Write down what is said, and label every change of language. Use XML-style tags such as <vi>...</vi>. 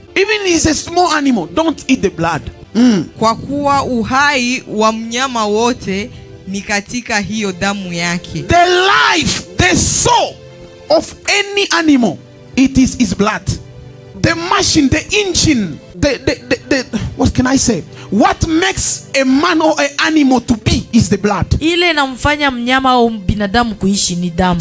<en>Even if it's a small animal, don't eat the blood. Mm.</en> <sw>Kwa kuwa uhai wa mnyama wote ni katika hiyo damu yake.</sw> <en>The life, the soul of any animal, it is its blood. The machine, the engine, what can I say? What makes a man or an animal to be is the blood.</en> <sw>Ile namfanya mnyama au binadamu kuishi ni damu.</sw>